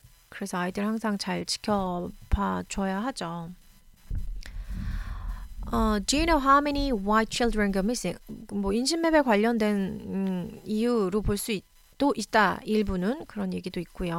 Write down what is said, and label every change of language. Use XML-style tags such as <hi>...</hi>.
<ko>그래서 아이들 항상 잘 지켜봐 줘야 하죠.</ko> <en>Do you know how many white children go missing?</en> <ko>뭐 인신매매 관련된 이유로 볼 수도 있다. 일부는 그런 얘기도 있고요.</ko>